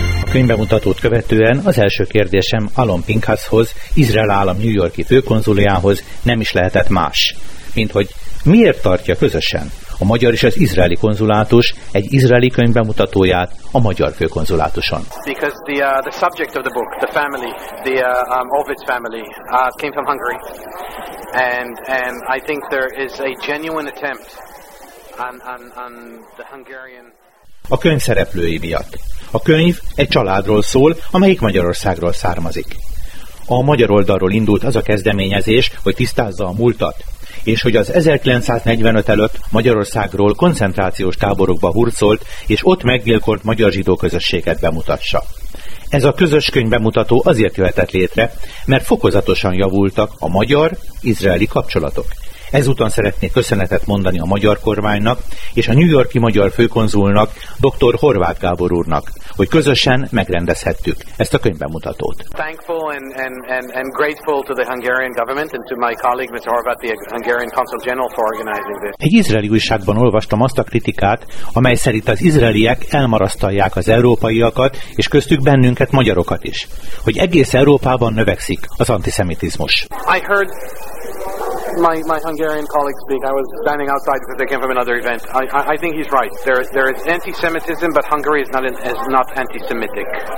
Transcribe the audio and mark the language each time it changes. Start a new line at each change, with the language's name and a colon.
Hungarian: Könyvbemutatót követően az első kérdésem Alon Pinkhashoz, Izrael állam New Yorki főkonzuliához nem is lehetett más, mint hogy miért tartja közösen a magyar és az izraeli konzulátus egy izraeli könyvbemutatóját a magyar főkonzulátuson.
English: Because the subject of the book, the family, the Ovid's family, came from Hungary, and I think there is a genuine attempt on the Hungarian.
Hungarian: A könyv szereplői miatt. A könyv egy családról szól, amelyik Magyarországról származik. A magyar oldalról indult az a kezdeményezés, hogy tisztázza a múltat, és hogy az 1945 előtt Magyarországról koncentrációs táborokba hurcolt és ott meggyilkolt magyar zsidó közösséget bemutassa. Ez a közös könyvbemutató azért jöhetett létre, mert fokozatosan javultak a magyar-izraeli kapcsolatok. Ezután szeretnék köszönetet mondani a magyar kormánynak és a New Yorki magyar főkonzulnak, Dr. Horváth Gábor úrnak, hogy közösen megrendezhettük ezt a könyvbemutatót.
English: Thankful and grateful to the Hungarian government and to my colleague Mr. Horváth, the Hungarian Consul General for organizing this.
Hungarian: Egy izraeli újságban olvastam azt a kritikát, amely szerint az izraeliek elmarasztalják az európaiakat és köztük bennünket magyarokat is, hogy egész Európában növekszik az antiszemitizmus.
English: I heard my Hungarian colleague speak. I was standing outside because they came from another event. I think he's right. There is anti-Semitism, but Hungary is not anti-Semitic.